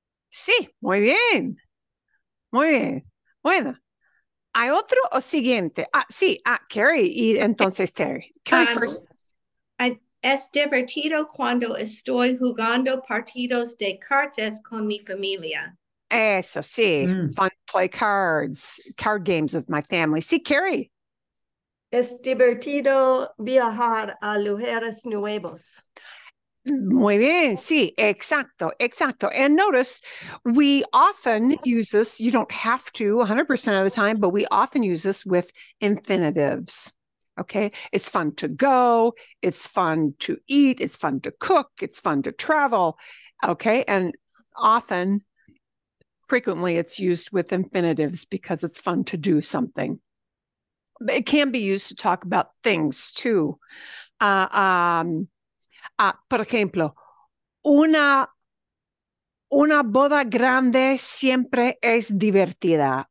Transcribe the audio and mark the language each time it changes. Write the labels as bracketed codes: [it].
[es] Sí, muy bien. Bueno, ¿hay otro o siguiente? Carrie, y entonces Terry. Carrie [en] first. [es] Es divertido cuando estoy jugando partidos de cartas con mi familia. Eso, sí. Mm. [en] Fun to play cards, card games with my family. [es] Sí, Carrie. Es divertido viajar a lugares nuevos. Muy bien, sí, exacto. [en] And notice, we often use this, you don't have to 100% of the time, but we often use this with infinitives. Okay, it's fun to go, it's fun to eat, it's fun to cook, it's fun to travel. Okay, and often, frequently, it's used with infinitives because it's fun to do something. But it can be used to talk about things too. [es] Por ejemplo, una boda grande siempre es divertida.